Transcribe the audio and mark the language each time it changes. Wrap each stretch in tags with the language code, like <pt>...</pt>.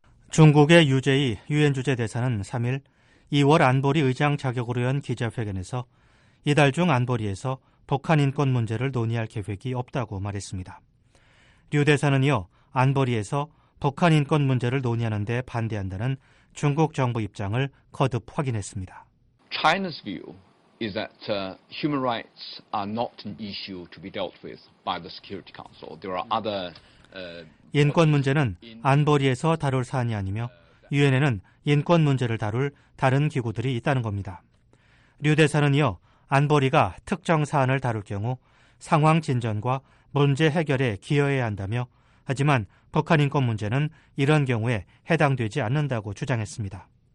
<ko>중국의 유제이 유엔 주재 대사는 3일 2월 안보리 의장 자격으로 연 기자회견에서 이달 중 안보리에서 북한 인권 문제를 논의할 계획이 없다고 말했습니다. 류 대사는 이어 안보리에서 북한 인권 문제를 논의하는 데 반대한다는 중국 정부 입장을 거듭 확인했습니다.</ko> <en>China's view is that human rights are not an issue to be dealt with by the Security Council. There are other</en> <ko>인권 문제는 안보리에서 다룰 사안이 아니며 유엔에는 인권 문제를 다룰 다른 기구들이 있다는 겁니다. 류 대사는 이어 안보리가 특정 사안을 다룰 경우 상황 진전과 문제 해결에 기여해야 한다며 하지만 북한 인권 문제는 이런 경우에 해당되지 않는다고 주장했습니다.</ko>